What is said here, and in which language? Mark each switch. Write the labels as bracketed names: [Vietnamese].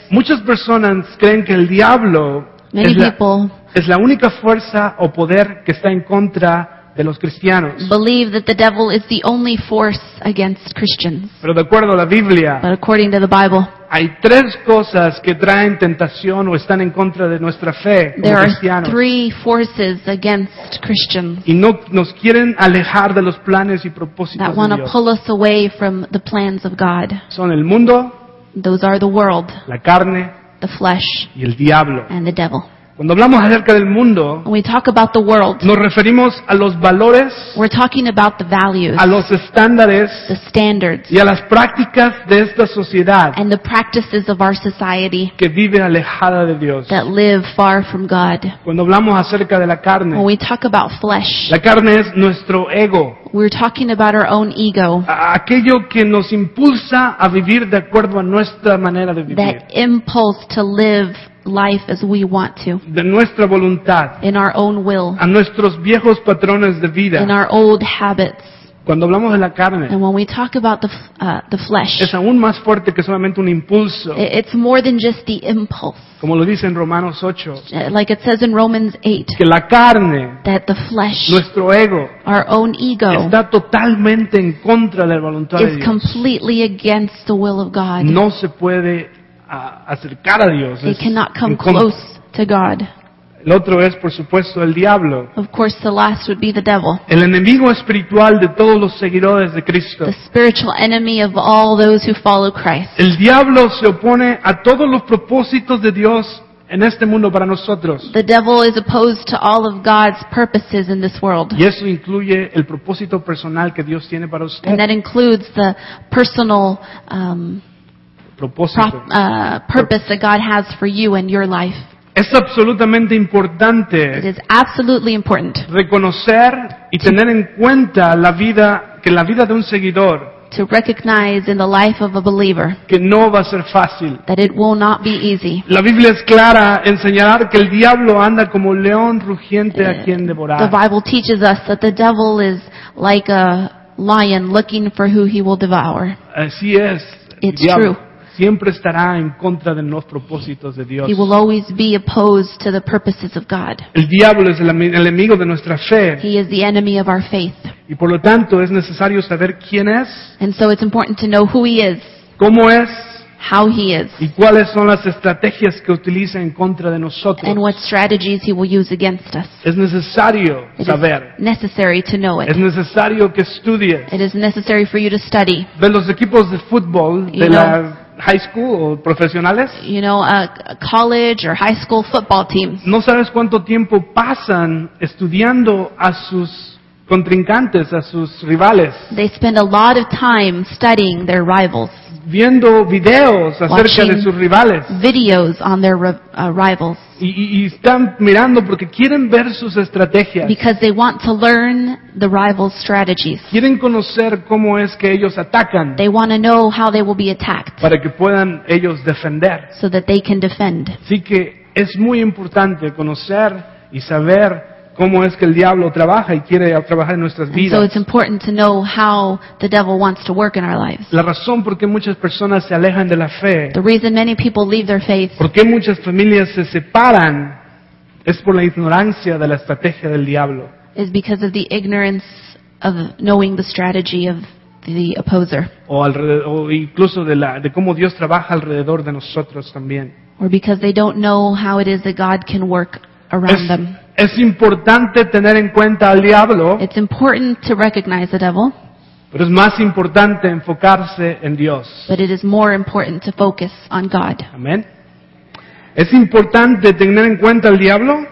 [Spanish] Muchas personas creen que el diablo es la única fuerza o poder que está en contra de los cristianos. [English] Believe that the devil is the only force against Christians. [Spanish] Pero de acuerdo a la Biblia, [English] but according to the Bible, [Spanish] hay tres cosas que traen tentación o están en contra de nuestra fe como [English] there [Spanish] cristianos. [English] Are three forces against Christians. [Spanish] Y no nos quieren alejar de los planes y propósitos [English] that [Spanish] de Dios. [English] That want to pull us away from the plans of God. [Spanish] Son el mundo, [English] those are the world, [Spanish] la carne, [English] the flesh, [Spanish] y el diablo, [English] and the devil. [Spanish] Cuando hablamos acerca del mundo, [English] when we talk about the world, [Spanish] nos referimos a los valores, [English] we're talking about the values, [Spanish] a los estándares, [English] the standards, [Spanish] y a las prácticas de esta sociedad, [English] and the practices of our society, [Spanish] que vive alejada de Dios, [English] that live far from God. [Spanish] Cuando hablamos acerca de la carne, [English] when we talk about flesh, [Spanish] la carne es nuestro ego. [English] We're talking about our own ego. [Spanish] Aquello que nos impulsa a vivir de acuerdo a nuestra manera de vivir. [English] That impulse to live life as we want to. [Spanish] De nuestra voluntad. [English] In our own will. [Spanish] A nuestros viejos patrones de vida. [English] In our old habits. [Spanish] Cuando hablamos de la carne, [English] and when we talk about the flesh, [Spanish] es aún más fuerte que solamente un impulso. [English] It's more than just the impulse. [Spanish] Como lo dice en Romanos 8, [English] like it says in Romans 8, [Spanish] que la carne, [English] that the flesh, [Spanish] nuestro ego, [English] our own ego, [Spanish] está totalmente en contra de la voluntad de Dios. [English] Is completely against the will of God. [Spanish] No se puede acercar a Dios. [English] It cannot come close to God. [Spanish] El otro es, por supuesto, el diablo. [English] Of course, the last would be the devil. [Spanish] El enemigo espiritual de todos los seguidores de Cristo. [English] The spiritual enemy of all those who follow Christ. [Spanish] El diablo se opone a todos los propósitos de Dios en este mundo para nosotros. [English] The devil is opposed to all of God's purposes in this world. [Spanish] Y eso incluye el propósito personal que Dios tiene para usted. [English] And that includes the personal purpose that God has for you and your life. [Spanish] Es absolutamente importante reconocer y tener en cuenta la vida, que la vida de un seguidor, [English] to recognize in the life of a believer, [Spanish] que no va a ser fácil, [English] that it will not be easy. [Spanish] La Biblia es clara en señalar que el diablo anda como león rugiente a quien devorar. [English] The Bible teaches us that the devil is like a lion looking for who he will devour. [Spanish] Así es. [English] It's true. [Spanish] Siempre estará en contra de los propósitos de Dios. [English] He will always be opposed to the purposes of God. [Spanish] El diablo es el enemigo de nuestra fe. [English] He is the enemy of our faith. [Spanish] Y por lo tanto es necesario saber quién es. [English] And so it's important to know who he is. [Spanish] ¿Cómo es? [English] How he is. [Spanish] ¿Y cuáles son las estrategias que utiliza en contra de nosotros? [English] And what strategies he will use against us. [Spanish] Es necesario saber. [English] It is necessary to know it. [Spanish] Es necesario que estudies. [English] It is necessary for you to study. [Spanish] De los equipos de fútbol de la high school o profesionales, [English] you know, a college or high school football teams. [Spanish] No sabes cuánto tiempo pasan estudiando a sus contrincantes, a sus rivales. [English] They spend a lot of time studying their rivals. [Spanish] Viendo videos acerca de sus rivales. [English] Videos on their rivals. [Spanish] Y están mirando porque quieren ver sus estrategias. [English] Because they want to learn the rivals' strategies. [Spanish] Quieren conocer cómo es que ellos atacan. [English] They want to know how they will be attacked. [Spanish] Para que puedan ellos defender. [English] So that they can defend. [Spanish] Así que es muy importante conocer y saber cómo es que el diablo trabaja y quiere trabajar en nuestras vidas. [English] So it's important to know how the devil wants to work in our lives. [Spanish] La razón por qué muchas personas se alejan de la fe. [English] The reason many people leave their faith. [Spanish] Por qué muchas familias se separan es por la ignorancia de la estrategia del diablo. [English] Is because of the ignorance of knowing the strategy of the opposer. [Spanish] O incluso de cómo Dios trabaja alrededor de nosotros también. [English] Or because they don't know how it is that God can work around them. [Spanish] Es importante tener en cuenta al diablo. [English] It's important to recognize the devil. [Spanish] Pero es más importante enfocarse en Dios. [English] But it is more important to focus on God. [Spanish] Amén. Es importante tener en cuenta al diablo.